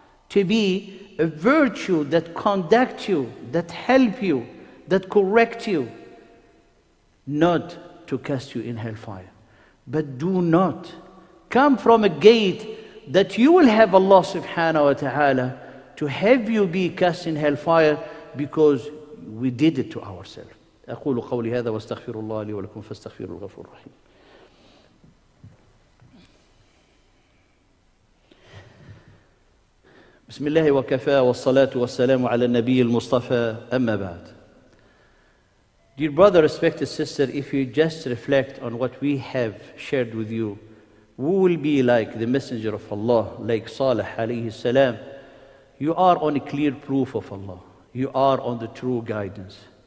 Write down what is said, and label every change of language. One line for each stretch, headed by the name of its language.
English: To be a virtue that conduct you, that help you, that correct you. Not to cast you in hellfire. But do not come from a gate that you will have Allah subhanahu wa ta'ala to have you be cast in hellfire. Because we did it to ourselves.
Arabic: أقول قولي هذا واستغفر الله لي ولكم فاستغفروا الغفور الرحيم. بسم الله وكفى والصلاة والسلام على النبي المصطفى أما بعد.
English: Dear brother, respected sister, if you just reflect on what we have shared with you, we will be like the messenger of Allah, like Salih alayhi salam. You are on a clear proof of Allah. You are on the true guidance.